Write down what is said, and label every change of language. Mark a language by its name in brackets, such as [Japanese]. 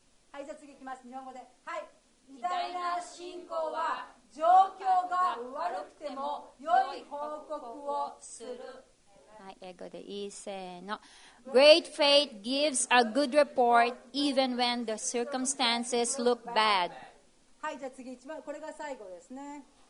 [Japanese] はい、じゃあ次いきます。日本語で。はい。偉大な信仰は状況が悪くても良い報告をする。はい、英語で。せーの。 [English] Great faith gives a good report even when the circumstances look bad. [Japanese] はい、じゃあ次一番、これが最後ですね。